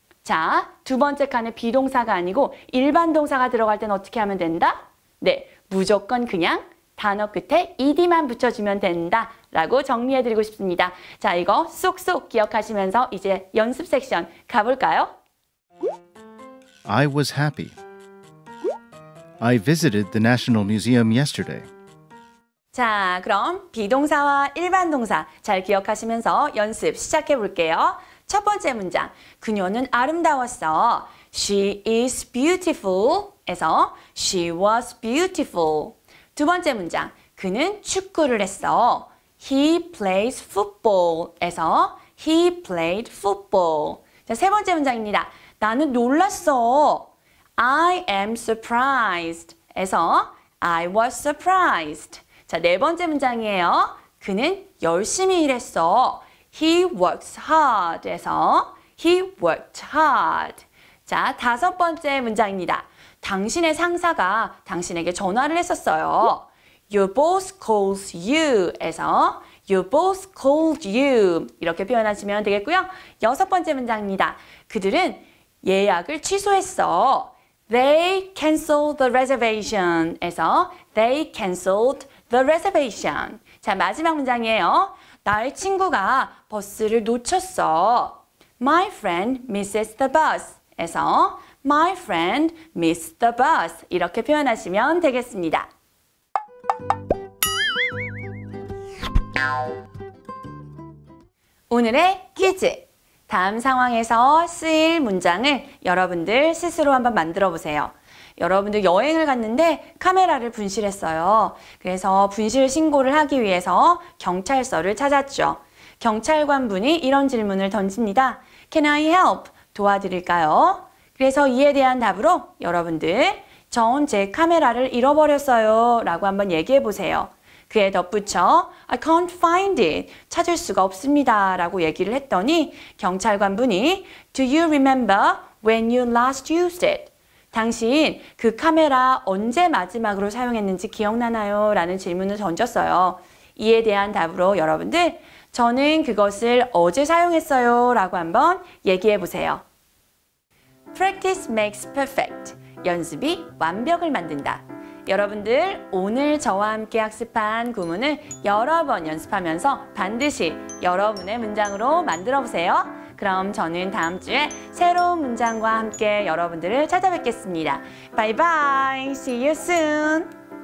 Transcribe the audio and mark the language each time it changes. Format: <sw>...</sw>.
<ko>자, 두 번째 칸에 비동사가 아니고 일반 동사가 들어갈 땐 어떻게 하면 된다? 네, 무조건 그냥 단어 끝에 ed만 붙여주면 된다 라고 정리해드리고 싶습니다. 자, 이거 쏙쏙 기억하시면서 이제 연습 섹션 가볼까요?</ko> <en>I was happy. I visited the National Museum yesterday.</en> <ko>자, 그럼 비동사와 일반 동사 잘 기억하시면서 연습 시작해 볼게요. 첫 번째 문장, 그녀는 아름다웠어.</ko> <en>She is beautiful 에서 She was beautiful.</en> <ko>두 번째 문장. 그는 축구를 했어.</ko> <en>He plays football. 에서 He played football.</en> <ko>자, 세 번째 문장입니다. 나는 놀랐어.</ko> <en>I am surprised. 에서 I was surprised.</en> <ko>자, 네 번째 문장이에요. 그는 열심히 일했어.</ko> <en>He works hard. 에서 He worked hard.</en> <ko>자, 다섯 번째 문장입니다. 당신의 상사가 당신에게 전화를 했었어요.</ko> <en>Your boss calls you. 에서 Your boss called you.</en> <ko>이렇게 표현하시면 되겠고요. 여섯 번째 문장입니다. 그들은 예약을 취소했어.</ko> <en>They canceled the reservation. 에서 They canceled the reservation.</en> <ko>자, 마지막 문장이에요. 나의 친구가 버스를 놓쳤어.</ko> <en>My friend misses the bus. 에서 My friend missed the bus.</en> <ko>이렇게 표현하시면 되겠습니다. 오늘의 퀴즈. 다음 상황에서 쓰일 문장을 여러분들 스스로 한번 만들어 보세요. 여러분들 여행을 갔는데 카메라를 분실했어요. 그래서 분실 신고를 하기 위해서 경찰서를 찾았죠. 경찰관분이 이런 질문을 던집니다.</ko> <en>Can I help?</en> <ko>도와드릴까요? 그래서 이에 대한 답으로 여러분들 전 제 카메라를 잃어버렸어요 라고 한번 얘기해 보세요. 그에 덧붙여</ko> <en>I can't find it.</en> <ko>찾을 수가 없습니다 라고 얘기를 했더니 경찰관분이</ko> <en>Do you remember when you last used it?</en> <ko>당신 그 카메라 언제 마지막으로 사용했는지 기억나나요? 라는 질문을 던졌어요. 이에 대한 답으로 여러분들 저는 그것을 어제 사용했어요 라고 한번 얘기해 보세요.</ko> <en>Practice makes perfect.</en> <ko>연습이 완벽을 만든다. 여러분들 오늘 저와 함께 학습한 구문을 여러 번 연습하면서 반드시 여러분의 문장으로 만들어 보세요. 그럼 저는 다음 주에 새로운 문장과 함께 여러분들을 찾아뵙겠습니다.</ko> <en>Bye bye. See you soon.</en>